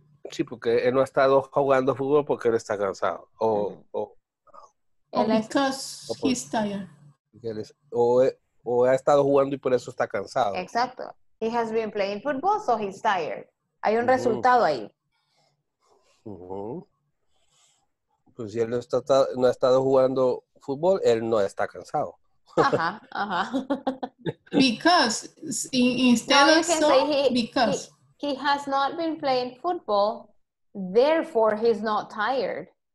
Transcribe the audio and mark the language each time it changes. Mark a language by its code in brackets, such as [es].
[es] Sí, porque él no ha estado jugando fútbol porque él está cansado. [en] Because he's tired. [es] O ha estado jugando y por eso está cansado. Exacto. [en] He has been playing football, so he's tired. [es] Hay un uh-huh. resultado ahí. Uh-huh. Pues si él no ha estado jugando fútbol, él no está cansado. Ajá. [en] Because instead of so, because. He has not been playing football. Therefore, he's not tired.